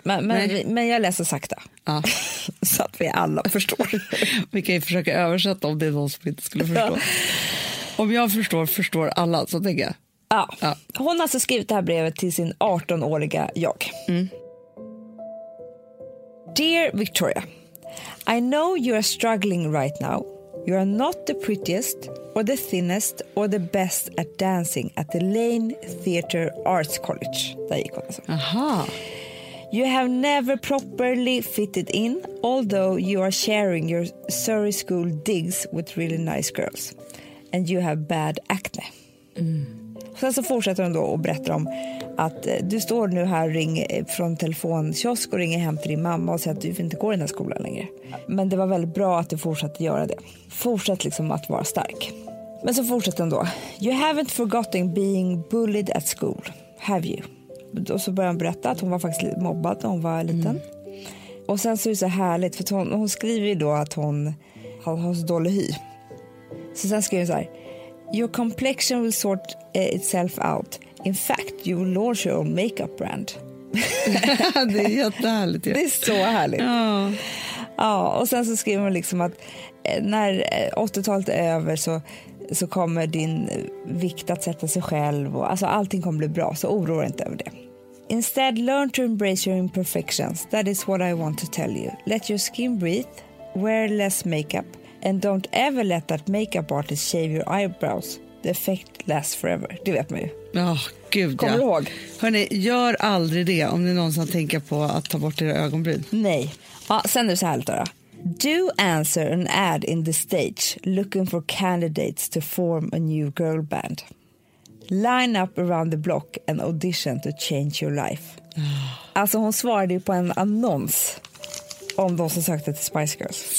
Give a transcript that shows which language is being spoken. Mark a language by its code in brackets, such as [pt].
[sv] Men jag läser sakta. Ja. Så att vi alla förstår. Vi kan ju försöka översätta om det är någon som inte skulle förstå. Ja. Om jag förstår, förstår alla, så tänker jag. Ja. Ja. Hon har alltså skrivit det här brevet till sin 18-åriga jag. Mm. [en] Dear Victoria, I know you are struggling right now. You are not the prettiest or the thinnest or the best at dancing at the Lane Theatre Arts College. [sv] Där gick hon alltså. Aha. [en] You have never properly fitted in, although you are sharing your Surrey school digs with really nice girls. And you have bad acne. Mm. [sv] Sen så fortsätter hon då och berättar om att du står nu här från telefonkiosk och ringer hem till din mamma och säger att du inte går i den här skolan längre. Men det var väldigt bra att du fortsatte göra det. Fortsätt liksom att vara stark. Men så fortsätter hon då. [en] You haven't forgotten being bullied at school, have you? [sv] Och så börjar hon berätta att hon var faktiskt mobbad när hon var liten. Mm. Och sen så är det så härligt, för hon skriver ju då att hon har så dålig hy. Så sen skriver hon så här. [en] Your complexion will sort itself out. In fact, you will launch your own makeup brand. [sv] Det är jättehärligt. Det är så härligt. Ja. Ja, och sen så skriver hon liksom att när 80-talet är över så kommer din vikt att sätta sig själv. Och, alltså allting kommer bli bra, så oroa dig inte över det. [en] Instead, learn to embrace your imperfections. That is what I want to tell you. Let your skin breathe. Wear less makeup. And don't ever let that makeup artist shave your eyebrows. The effect lasts forever. [sv] Det vet man ju. Oh, gud, kommer ja. Du ihåg? Hörrni, gör aldrig det om ni någonsin tänker på att ta bort era ögonbryn. Nej. Ja, sen är det så här lite då. [en] Do answer an ad in the stage looking for candidates to form a new girl band. Line up around the block and audition to change your life. Oh. [sv] Alltså hon svarade ju på en annons om de som sökte till Spice Girls.